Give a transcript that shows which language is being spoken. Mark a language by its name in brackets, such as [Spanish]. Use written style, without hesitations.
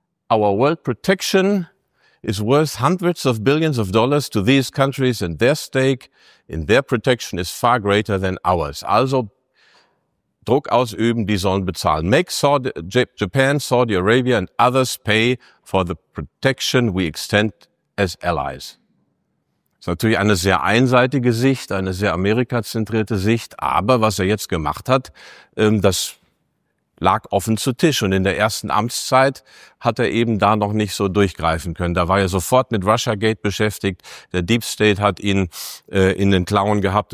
[English] Our world protection is worth hundreds of billions of dollars to these countries and their stake in their protection is far greater than ours. [German] Also Druck ausüben, die sollen bezahlen. [English] Make Japan, Saudi Arabia and others pay for the protection we extend as allies. [German] Das ist natürlich eine sehr einseitige Sicht, eine sehr amerikazentrierte Sicht. Aber was er jetzt gemacht hat, das lag offen zu Tisch. Und in der ersten Amtszeit hat er eben da noch nicht so durchgreifen können. Da war er sofort mit Russiagate beschäftigt. Der Deep State hat ihn in den Klauen gehabt.